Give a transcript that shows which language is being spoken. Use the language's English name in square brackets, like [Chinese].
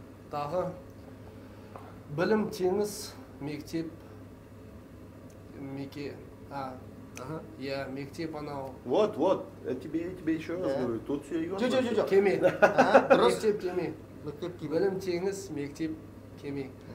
[Kazakh] Тағы білім теңіз, мектеп, меке. Мектеп анау. [Russian] Вот-вот, я тебе еще раз говорю, тут все ее. Че-че-че-че. [Kazakh] Кеме. Мектеп кеме. Мектеп кеме. Білім теңіз, мектеп кеме.